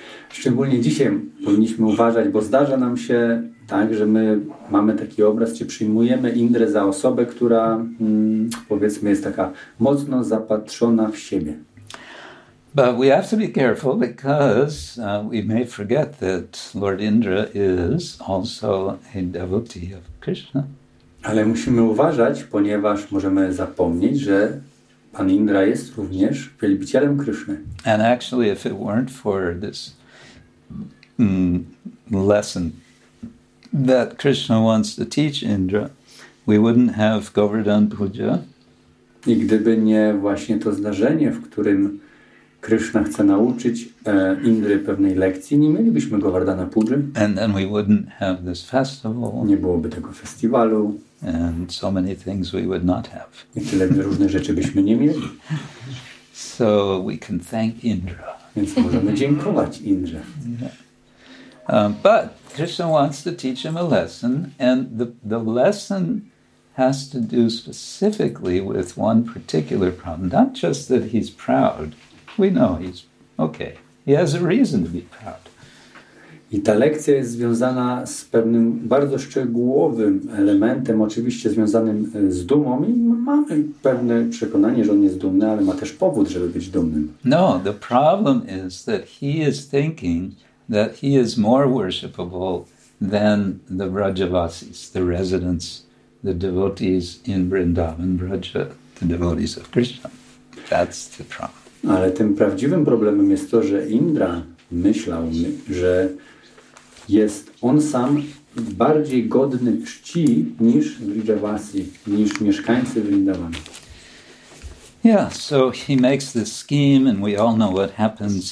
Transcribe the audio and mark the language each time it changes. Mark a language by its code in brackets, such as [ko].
[pl] Szczególnie dzisiaj powinniśmy uważać, bo zdarza nam się tak, że my mamy taki obraz, czy przyjmujemy Indrę za osobę, która powiedzmy jest taka mocno zapatrzona w siebie. [en] But we have to be careful because we may forget that Lord Indra is also a devotee of Krishna. [pl] Ale musimy uważać, ponieważ możemy zapomnieć, że Pan Indra jest również wielbicielem Kryszny. [en] And actually if it weren't for this lesson that Krishna wants to teach Indra, we wouldn't have Govardhan Puja. [pl] I gdyby nie właśnie to zdarzenie, w którym Krishna chce nauczyć Indry pewnej lekcji, nie mielibyśmy Govardhana Puja. [en] And then we wouldn't have this festival. [pl] Nie byłoby tego festiwalu. [en] And so many things we would not have. [pl] I tyle różne rzeczy byśmy nie mieli. [en] So we can thank Indra. [pl] Więc możemy dziękować Indrze. [en] But Krishna wants to teach him a lesson, and the lesson has to do specifically with one particular problem. Not just that he's proud. We know he's okay. He has a reason to be proud. [pl] I ta lekcja jest związana z pewnym bardzo szczegółowym elementem, oczywiście związanym z dumą. I mamy pewne przekonanie, że on jest dumny, ale ma też powód, żeby być dumnym. [en] No, the problem is that he is thinking that he is more worshipable than the Vrajavasis, the residents, the devotees in Vrindavan, Vraja, the devotees of Krishna. That's the problem. [pl] Ale tym prawdziwym problemem jest to, że Indra myślał, że jest on sam bardziej godny czci niż Vrajavasi, niż mieszkańcy Vrindavan. [en] Yeah, so he makes this scheme and we all know what happens.